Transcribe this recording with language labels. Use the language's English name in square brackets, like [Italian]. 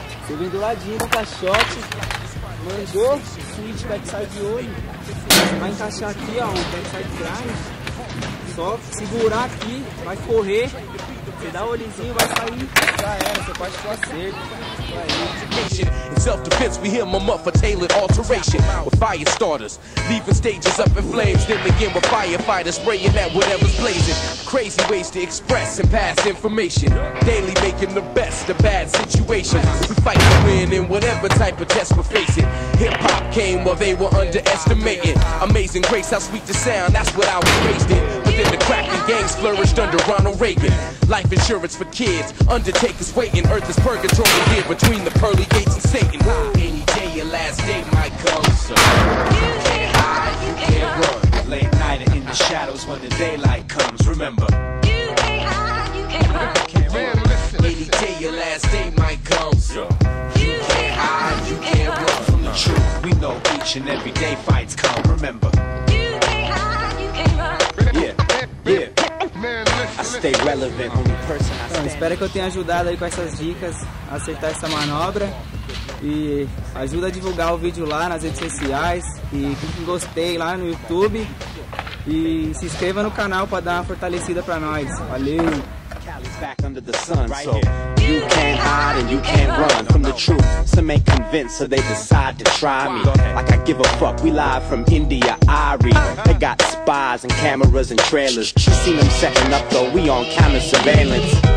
[Portuguese] Eu vim do ladinho do caixote, mandou o switch backside de olho. Você vai encaixar aqui, ó, o backside grind. Só segurar aqui, vai correr. Você dá o olhinho, vai sair. Já era, você pode ficar cedo. [English] Self-defense, we hear my muffler tailored alteration. With fire starters, leaving stages up in flames. Then begin with firefighters spraying at whatever's blazing. Crazy ways to express and pass information. Daily making the best of bad situations. We fight to win in whatever type of test we're facing. Hip-hop came while they were underestimating. Amazing grace, how sweet the sound, that's what I was raised in. Within the crack, the gangs flourished under Ronald Reagan. Life insurance for kids, undertakers waiting. Earth is purgatory here between the pearly gates and Satan. Any day your last day might come, sir. You can't hide, you can't run. Late night and in the shadows when the daylight comes, remember. You can't hide, you can't run. Can't run. Man, listen. Any day your last day might come, sir. You can't hide, you can't run. From the truth, we know each and every day fights come, remember. You can't hide, you can't run. Yeah. [Portuguese] Então, espero que eu tenha ajudado aí com essas dicas a acertar essa manobra. E ajuda a divulgar o vídeo lá nas redes sociais. E clique em gostei lá no YouTube. E se inscreva no canal para dar uma fortalecida para nós. Valeu! [English] Back under the sun, so you can't hide and you can't run from the truth. Some may convince, so they decide to try me. Like I give a fuck, we live from India, Ari. They got spies and cameras and trailers. You seen them setting up though, we on camera surveillance.